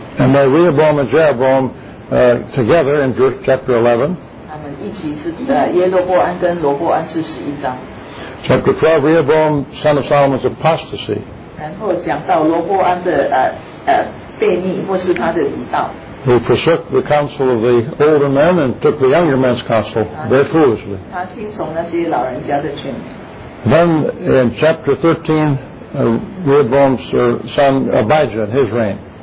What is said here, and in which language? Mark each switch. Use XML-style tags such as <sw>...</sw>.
<en>And Rehoboam and Jeroboam together in chapter 11.</en> <zh>他们一起是耶罗波安跟罗波安是十一章。</zh> <en>Chapter 12, Rehoboam, son of Solomon's apostasy.</en> <zh>然后讲到罗波安的悖逆或是他的离道。</zh> <en>He forsook the counsel of the older men and took the younger men's counsel very foolishly.</en> <zh>他听从那些老人家的劝勉。</zh> <en>Then in chapter 13, Rehoboam's son Abijah and his reign.</en>